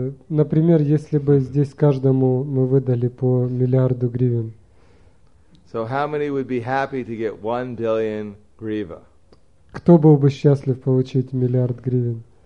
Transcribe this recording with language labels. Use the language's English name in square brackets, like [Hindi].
[Russian] Например, если бы здесь каждому мы выдали по миллиарду гривен. [English] So how many would be happy to get 1 billion griva? [Russian] Кто был бы счастлив получить миллиард гривен?